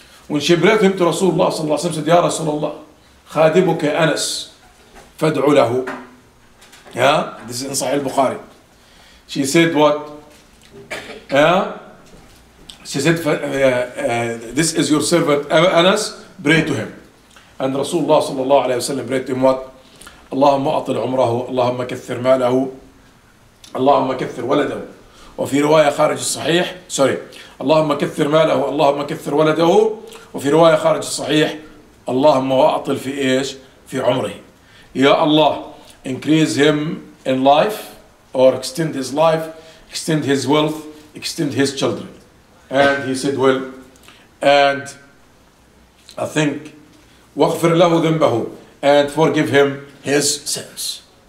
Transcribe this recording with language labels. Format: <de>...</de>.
<en>When she brought him to Rasulullah</en> <ar>صلى الله عليه وسلم,</ar> <en>said, Ya Rasulullah,</en> <ar>خادمك أنس, فادعو له.</ar> <en>This is in Sahih al-Bukhari. She said what? She said, this is your servant Anas, pray to him. And Rasulullah</en> <ar>صلى الله عليه وسلم</ar> <en>prayed to him what?</en> <ar>اللهم أطل عمره, اللهم كثر ماله, اللهم كثر ولده. وفي رواية خارج الصحيح, sorry, اللهم كثر ماله, اللهم كثر ولده. وفي رواية خارج الصحيح, اللهم وأطل في إيش؟ في عمره. يا الله,</ar> <en>increase him in life, or extend his life, extend his wealth, extend his children. And he said, well, and I think,</en> <ar>واغفر له ذنبه,</ar> <en>and forgive him his sins.</en>